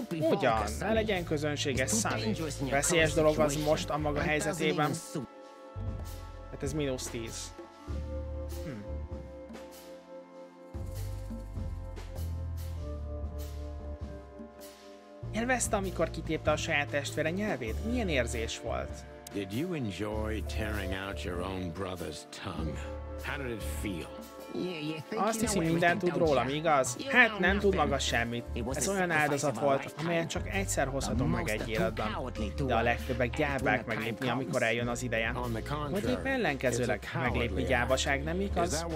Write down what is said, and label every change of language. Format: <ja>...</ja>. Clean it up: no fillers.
<hu>Ugyan, ne legyen közönséges, Sunny. Veszélyes dolog az most a maga helyzet. Helyzetében. Hát ez mínusz 10. Élvezte, amikor kitépte a saját testvére nyelvét? Milyen érzés volt?</hu> <en>Did you enjoy tearing out your own brother's tongue? How did it feel?</en> <hu>Azt hiszi, mindent tud rólam, igaz? Hát nem tud maga semmit. Ez olyan áldozat volt, amelyet csak egyszer hozhatom meg egy életben. De a legtöbbek gyávák meglépni, amikor eljön az ideje. Vagy épp ellenkezőleg, meglépni gyávaság, nem igaz?</hu>